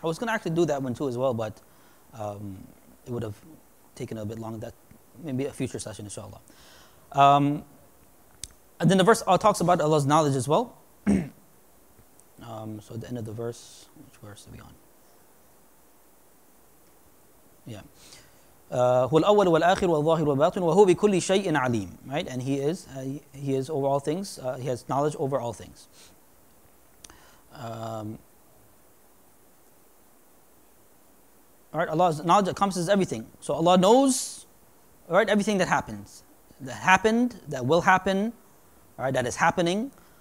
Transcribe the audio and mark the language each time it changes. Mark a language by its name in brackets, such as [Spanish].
[English] I was going to actually do that one too as well, but it would have taken a bit long. That maybe a future session, inshallah. And then the verse talks about Allah's knowledge as well. So at the end of the verse, which verse are we on? Yeah. [Arabic] هو الأول والآخر والظاهر والباطن وهو بكل شيء عليم. [English] Right, and he is over all things. He has knowledge over all things. Right, Allah's knowledge encompasses everything. So Allah knows, right, everything that happens, that happened, that will happen, right, that is happening.